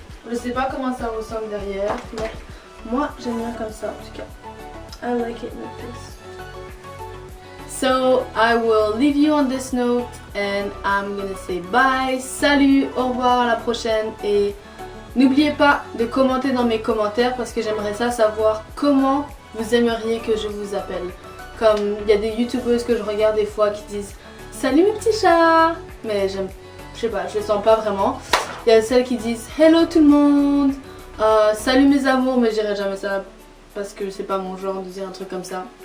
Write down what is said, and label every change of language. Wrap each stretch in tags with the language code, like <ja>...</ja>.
<fr>Je sais pas comment ça ressemble derrière, mais moi j'aime bien comme ça en tout cas.</fr> <en>I like it like this. So I will leave you on this note and I'm gonna say bye.</en> <fr>Salut, au revoir, à la prochaine. Et n'oubliez pas de commenter dans mes commentaires, parce que j'aimerais ça savoir comment vous aimeriez que je vous appelle. Comme il y a des youtubeuses que je regarde des fois qui disent salut mes petits chats, mais j'aime pas. Je sais pas, je le sens pas vraiment. Il y a celles qui disent hello tout le monde, salut mes amours, mais j'irai jamais ça parce que c'est pas mon genre de dire un truc comme ça.</fr>